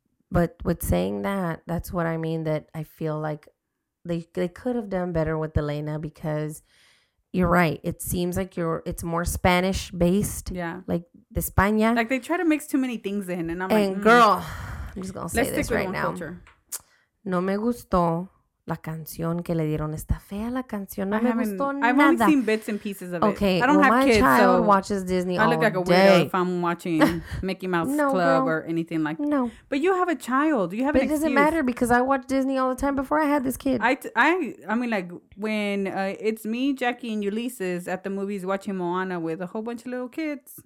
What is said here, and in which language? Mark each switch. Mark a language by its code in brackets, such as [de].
[en] But with saying that, that's what I mean, that I feel like they could have done better with Elena because... You're right. It seems like it's more Spanish based. Yeah. Like the España. Like they try to mix too many things in. And I'm like, girl, I'm just going to say this right now. Culture. [es] No me gustó la canción que le dieron. Está fea la canción. No me gustó nada. [en] I've only seen bits and pieces of it. Okay. I don't have kids. My child so watches Disney all day. I look like a weirdo if I'm watching Mickey Mouse Club or anything like that. No. But you have a child. You have an excuse. It doesn't matter because I watch Disney all the time before I had this kid. I mean, when it's me, Jackie, and Ulises at the movies watching Moana with a whole bunch of little kids.